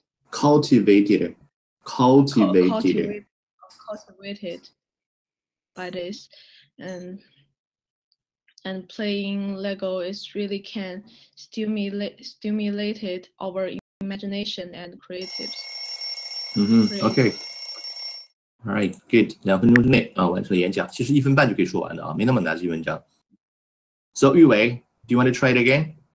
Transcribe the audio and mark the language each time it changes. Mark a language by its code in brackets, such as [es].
[en] cultivated by this, and playing Lego is really can stimulate our imagination and creativity. Okay. All right, good. [zh] 两分钟之内啊，完成演讲。其实一分半就可以说完的啊，没那么难这篇文章。 [en] So, Yuwei, do you want to try it again?